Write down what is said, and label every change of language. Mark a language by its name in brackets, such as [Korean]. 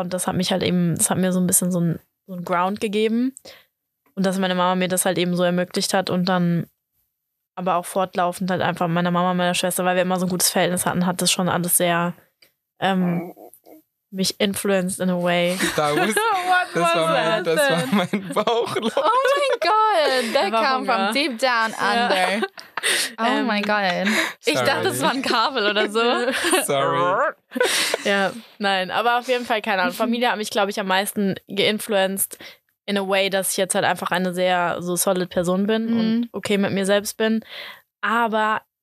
[German] Und das hat mich halt eben, das hat mir so ein bisschen so ein Ground gegeben. Und dass meine Mama mir das halt eben so ermöglicht hat und dann aber auch fortlaufend halt einfach meiner Mama und meiner Schwester, weil wir immer so ein gutes Verhältnis hatten, hat das schon alles sehr mich influenced [English] in a way. [German] Das war mein Bauch. Oh mein Gott, [English] that came from deep down under. [German] Oh mein Gott. Ich dachte, es war ein Kabel oder so. Sorry. Ja, nein, aber auf jeden Fall, keine Ahnung. Familie hat mich, glaube ich, am meisten geinfluenced. [English] In a way, [German] dass ich jetzt halt einfach eine sehr so solid Person bin und okay mit mir selbst bin. Aber